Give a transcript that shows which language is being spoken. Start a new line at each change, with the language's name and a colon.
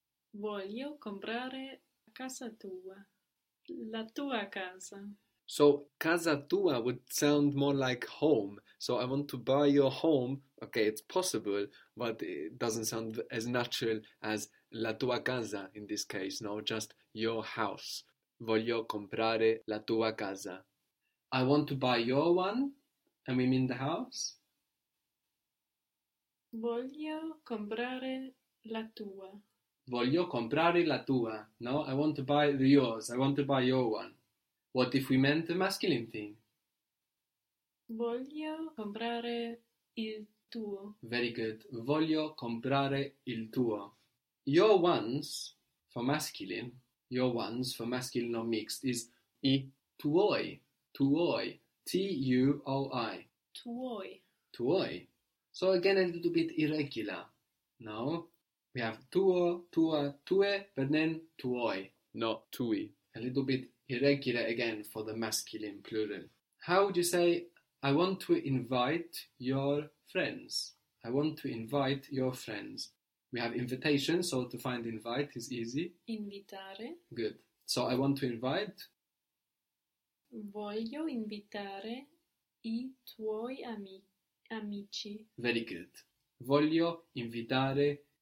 Italian: Voglio comprare casa tua. La tua casa.
English: So,
Italian: casa tua
English: would sound more like home. So, I want to buy your home. Okay, it's possible, but it doesn't sound as natural as
Italian: la tua casa
English: in this case, no, just your house.
Italian: Voglio comprare la tua casa.
English: I want to buy your one. And we mean the house.
Italian: Voglio comprare la tua. Voglio comprare la tua.
English: No, I want to buy the yours. I want to buy your one. What if we meant the masculine thing?
Italian: Voglio comprare il tuo.
English: Very good.
Italian: Voglio comprare il tuo.
English: Your ones for masculine. Your ones for masculine or mixed is I tuoi, tuoi, T-U-O-I.
Italian: Tuoi.
English: Tuoi. So again, a little bit irregular. No? We have tuo, tua, tue, but then tuoi, not tui. A little bit irregular again for the masculine plural. How would you say, I want to invite your friends? I want to invite your friends. We have invitation, so to find invite is easy.
Italian: Invitare.
English: Good. So I want to invite.
Italian: Voglio invitare i tuoi amici.
English: Very good.
Italian: Voglio invitare